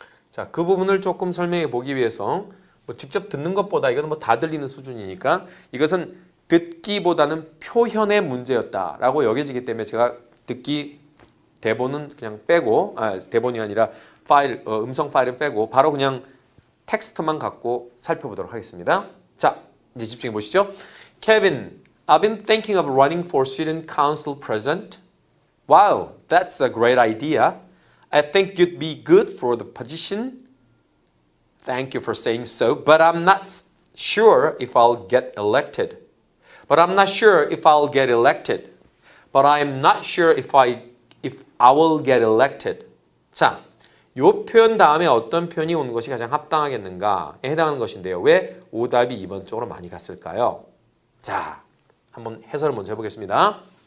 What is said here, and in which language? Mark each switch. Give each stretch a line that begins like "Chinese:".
Korean: 자, 그 부분을 조금 설명해 보기 위해서 뭐 직접 듣는 것보다 이건 뭐 다 들리는 수준이니까 이것은 듣기보다는 표현의 문제였다라고 여겨지기 때문에 제가 듣기 대본은 그냥 빼고 아, 대본이 아니라 파일, 음성 파일은 빼고 바로 그냥 텍스트만 갖고 살펴보도록 하겠습니다. 자, 이제 집중해 보시죠.
English: Kevin, I've been thinking of running for student council president. Wow, that's a great idea. I think you'd be good for the position. Thank you for saying so, but I'm not sure if I'll get elected. But I'm not sure if I'll get elected. But I'm not sure if I will get elected.
Korean: 자, 이 표현 다음에 어떤 표현이 오는 것이 가장 합당하겠는가에 해당하는 것인데요. 왜 오답이 2번 쪽으로 많이 갔을까요? 자, 한번 해설을 먼저 해보겠습니다.